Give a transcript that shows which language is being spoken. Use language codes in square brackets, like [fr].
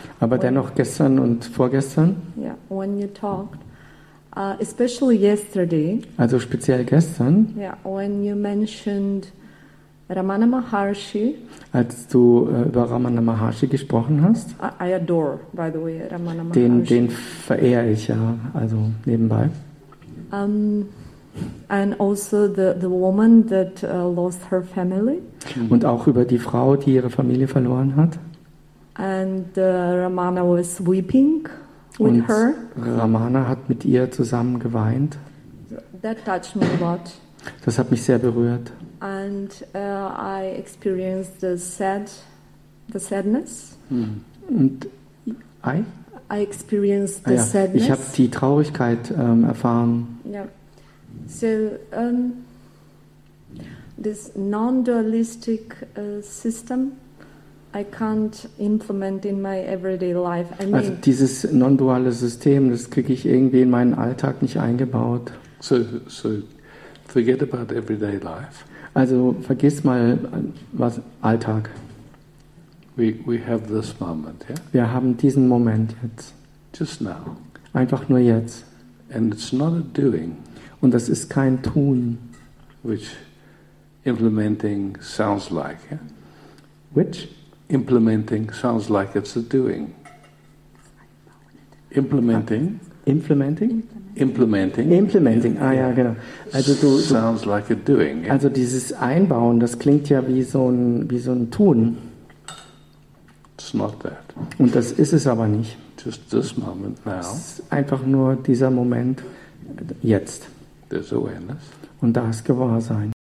[de] Aber dennoch gestern und vorgestern. [en] Yeah, when you talked. Especially yesterday. [de] Also speziell gestern. [en] Yeah, when you mentioned Ramana Maharshi. [de] Als du über Ramana Maharshi gesprochen hast. [en] I adore, by the way, Ramana Maharshi. [de] Den verehre ich ja, also nebenbei. [en] And also the woman that lost her family. [de] Und auch über die Frau, die ihre Familie verloren hat. [en] And Ramana was weeping with [de] Und [en] her. [de] Ramana hat mit ihr zusammen geweint. [en] That touched me a lot. [de] Das hat mich sehr berührt. [en] And I experienced the sadness. [de] Und [en] I experienced the sadness. [de] Ich habe die Traurigkeit erfahren. [en] Yeah. So this non-dualistic system I can't implement in my everyday life. I mean, [de] also dieses non-duale System, das kriege ich irgendwie in meinen Alltag nicht eingebaut. [en] So forget about everyday life. [de] Also vergiss mal was Alltag. [en] We have this moment, yeah? [de] Wir haben diesen Moment jetzt. [en] Just now. [de] Einfach nur jetzt. [en] And it's not a doing. [de] Und das ist kein Tun. [en] Which implementing sounds like, yeah? Which? Implementing sounds like it's a doing. Implementing. Implementing? Implementing. Implementing, [de] ah ja, genau. [en] Also sounds like a doing. Yeah? [de] Also dieses Einbauen, das klingt ja wie so ein Tun. [en] It's not that. [de] Und das ist es aber nicht. [en] Just this moment now. [de] Es ist einfach nur dieser Moment jetzt. [en] There's awareness. [de] Und da ist Gewahrsein.